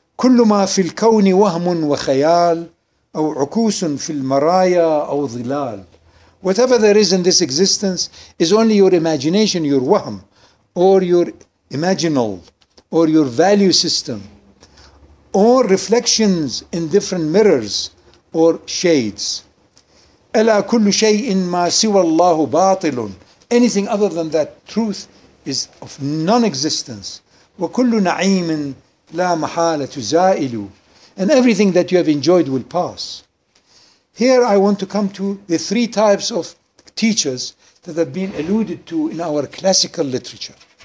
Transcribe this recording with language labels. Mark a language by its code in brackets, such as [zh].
[ar] كُلُّ مَا فِي الْكَوْنِ وَهْمٌ وَخَيَالٌ أو عكوس في المرايا أو ظلال. [en] Whatever there is in this existence is only your imagination, your wahm, or your imaginal, or your value system, or reflections in different mirrors or shades. [ar] ألا كل شيء ما سوى الله باطل. [en] Anything other than that truth is of non-existence. [ar] وكل نعيم لا محالة زائل. [en] And everything that you have enjoyed will pass. Here I want to come to the three types of teachers that have been alluded to in our classical literature.